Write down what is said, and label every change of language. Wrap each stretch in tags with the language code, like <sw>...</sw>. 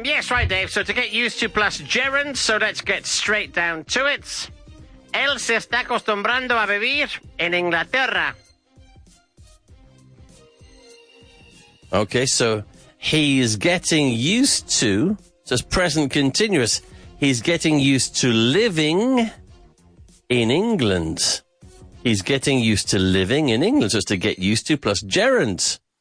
<en>Right, Dave, so to get used to plus gerund, so let's get straight down to it.</en> <es>Él se está acostumbrando a vivir en Inglaterra.</es> <en>Okay, so he's getting used to, so it's present continuous, he's getting used to living in England. He's getting used to living in England, so it's to get used to plus gerund.</en>